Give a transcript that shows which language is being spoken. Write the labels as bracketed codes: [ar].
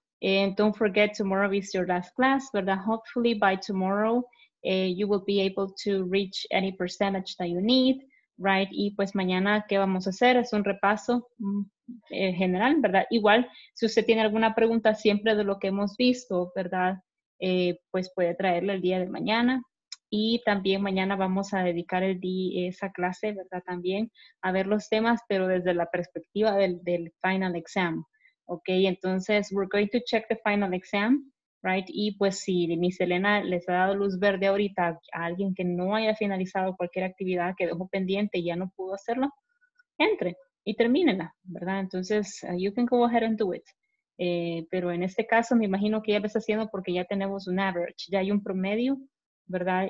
[en] And don't forget, tomorrow is your last class, but hopefully by tomorrow, you will be able to reach any percentage that you need, right? [es] Y pues mañana, ¿qué vamos a hacer? Es un repaso general, ¿verdad? Igual, si usted tiene alguna pregunta siempre de lo que hemos visto, ¿verdad? Pues puede traerla el día de mañana. Y también mañana vamos a dedicar el día, esa clase, ¿verdad? También a ver los temas, pero desde la perspectiva del final exam, ¿ok? Entonces, [en] we're going to check the final exam, right? [es] Y pues si Miss Elena les ha dado luz verde ahorita a alguien que no haya finalizado cualquier actividad que dejó pendiente y ya no pudo hacerlo, entre y termínenla, ¿verdad? Entonces, [en] you can go ahead and do it. [es] Pero en este caso, me imagino que ya lo está haciendo porque ya tenemos un average, ya hay un promedio, ¿verdad?